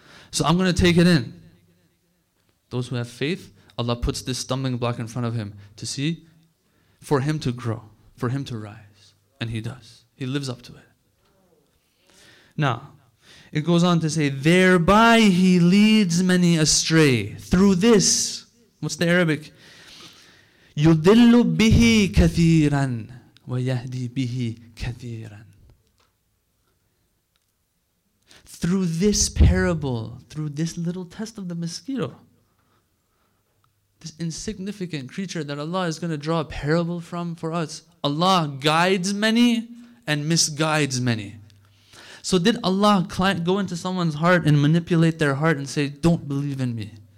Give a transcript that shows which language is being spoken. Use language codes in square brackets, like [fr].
[en] So I'm going to take it in. Those who have faith, Allah puts this stumbling block in front of him to see, for him to grow, for him to rise. And he does. He lives up to it. Now, it goes on to say, thereby he leads many astray. Through this, what's the Arabic? [ar] يُدِلُّ بِهِ كَثِيرًا وَيَهْدِي بِهِ كَثِيرًا. [en] Through this parable, through this little test of the mosquito, this insignificant creature that Allah is going to draw a parable from for us, Allah guides many and misguides many. So did Allah go into someone's heart and manipulate their heart and say, don't believe in me?